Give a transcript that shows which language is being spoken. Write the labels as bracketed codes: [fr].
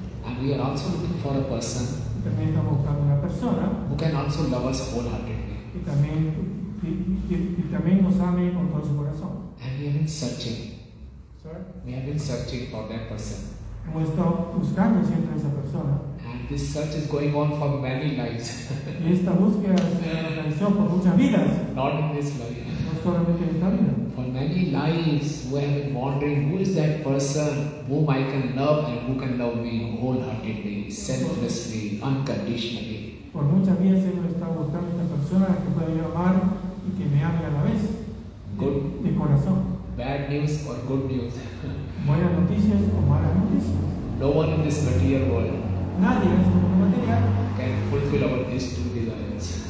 [en] And we are also looking for a person. [es] También estamos buscando una persona. [en] Who can also love us wholeheartedly. [es] Y también nos ame con todo su corazón. [en] And we have been searching. Sorry? We have been searching for that person. [es] Hemos estado buscando siempre a esa persona. [en] And this search is going on for many lives. [es] Y esta búsqueda se realizó por muchas vidas. [en] Not in this life. [es] No solamente en esta vida. [en] For many lives we have been wondering who is that person whom I can love and who can love me wholeheartedly, selflessly, unconditionally. [es] Por muchas vidas hemos estado buscando a esta persona que pueda yo amar y que me ame a la vez. [en] Good. [es] De corazón. [en] Bad news or good news? [es] Buenas noticias o malas noticias? [en] No one in this material world. [es] Nadie en este mundo material [en] can fulfill our these two desires.